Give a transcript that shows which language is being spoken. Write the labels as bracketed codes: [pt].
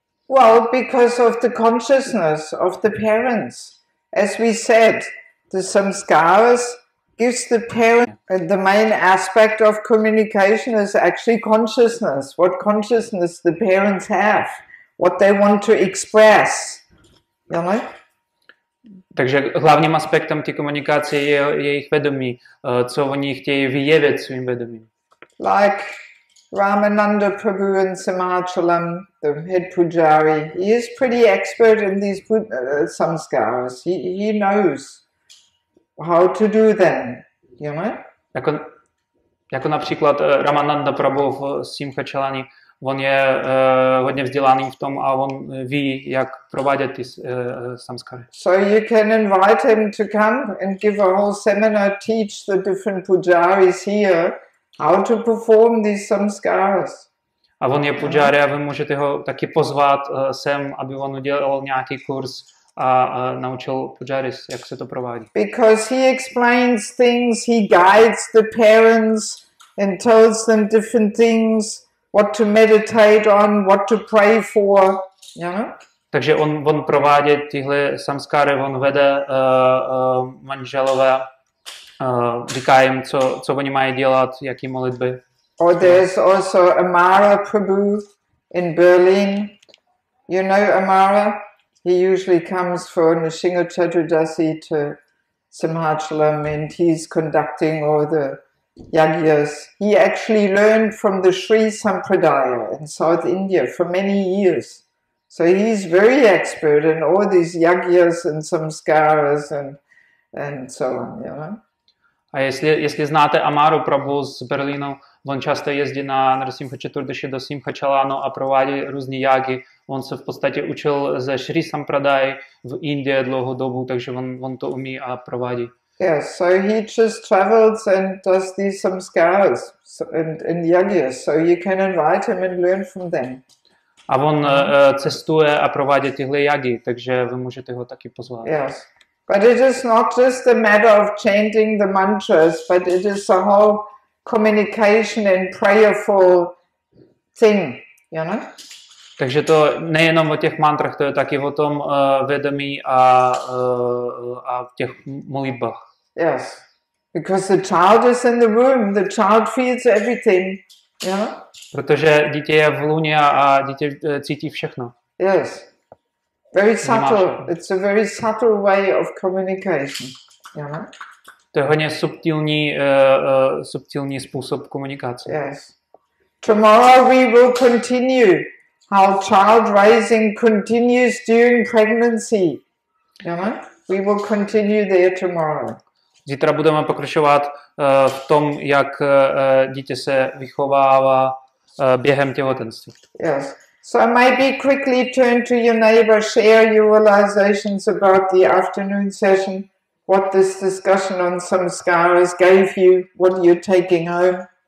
[en] Well, because of the consciousness of the parents. As we said, the samskaras gives the parent the main aspect of communication is actually consciousness. What consciousness the parents have, what they want to express, you know? [cs] Takže hlavním aspektem té komunikace je jejich vědomí, co oni chtějí vyjevit svým vědomím. [en] Like Ramananda Prabhu in Simhachalam, the head pujari, he is pretty expert in these samskaras. He knows how to do them, you know? [cs] Jako například Ramananda Prabhu v Simhachalani, on je hodně vzdělaný v tom a on ví, jak provádět ty samskary. [en] So you can invite him to come and give a whole seminar, teach the different pujaris here how to perform these samskaras. [cs] A on je pujari a vy můžete ho taky pozvat sem, aby on udělal nějaký kurz a naučil pujaris, jak se to provádí. [en] Because he explains things, he guides the parents and tells them different things, what to meditate on, what to pray for, you know? [cs] Takže on provádí tyhle samskáry, on vede manželové, říká jim, co oni mají dělat, jaký modlitby. [en] Or there's also Amara Prabhu in Berlin. You know Amara? He usually comes for Nrisinga Chaturdasi to Simhachalam and he's conducting all the yagyas. He actually learned from the Sri Sampradaya in South India for many years. So he's very expert in all these yagyas and samskaras and so on, you know? [cs] A jestli znáte Amaru Prabhu z Berlínu, on často jezdí na Narasimha Chaturdashi do Simha Chalano a provádí různé jágy. On se v podstatě učil ze Sri Sampradaya v Indii dlouhou dobu, takže on to umí a provádí. [en] Yes, so he just travels and does these samskaras and yagyas, so you can invite him and learn from them. [cs] A on cestuje a provádí tyhle jágy, takže vy můžete ho taky pozvat. [en] Yes. But it is not just a matter of chanting the mantras, but it is a whole communication and prayerful thing, you know? [cs] Takže to nejenom o těch mantrách, to je taky o tom vědomí a v těch modlitbách. [en] Yes, because the child is in the womb, the child feels everything, you know? [cs] Protože dítě je v lůně a dítě cítí všechno. [en] Yes. Very subtle. It's a very subtle way of communication. Yeah. [cs] To je hodně subtilní způsob komunikace. [en] Yes. Tomorrow we will continue how child raising continues during pregnancy. Yeah. We will continue there tomorrow. [cs] Zítra budeme pokračovat v tom, jak dítě se vychovává během těhotenství. [en] Yes. So maybe quickly turn to your neighbor, share your realizations about the afternoon session, what this discussion on samskaras gave you, what you're taking home.